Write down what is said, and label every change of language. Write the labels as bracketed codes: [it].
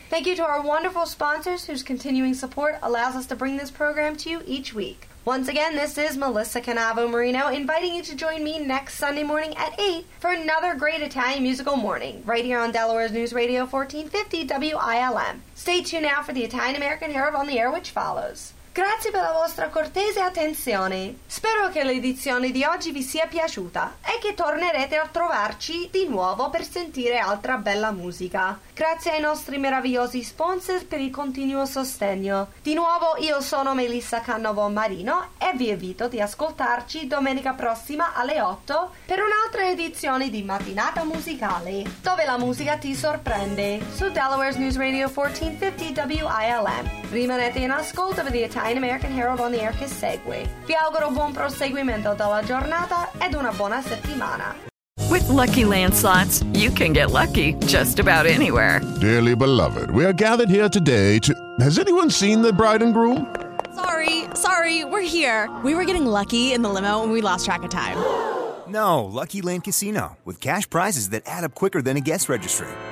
[en] Thank you to our wonderful sponsors whose continuing support allows us to bring this program to you each week. Once again, this is Melissa Canavo Marino inviting you to join me next Sunday morning at 8 for another great Italian musical morning right here on Delaware's News Radio 1450 WILM. Stay tuned now for the Italian American Herald on the air, which follows. [it] Grazie per la vostra cortese attenzione. Spero che l'edizione di oggi vi sia piaciuta e che tornerete a trovarci di nuovo per sentire altra bella musica. Grazie ai nostri meravigliosi sponsor per il continuo sostegno. Di nuovo io sono Melissa Canavo Marino e vi invito di ascoltarci domenica prossima alle 8 per un'altra edizione di Mattinata Musicale, dove la musica ti sorprende, su Delaware's News Radio 1450 WILM. Rimanete in ascolto per Italian American Herald on the air che segue. Vi auguro buon proseguimento della giornata ed una buona settimana. [en] With Lucky Land Slots, you can get lucky just about anywhere. Dearly beloved, we are gathered here today to... Has anyone seen the bride and groom? Sorry, sorry, we're here. We were getting lucky in the limo and we lost track of time. No, Lucky Land Casino, with cash prizes that add up quicker than a guest registry.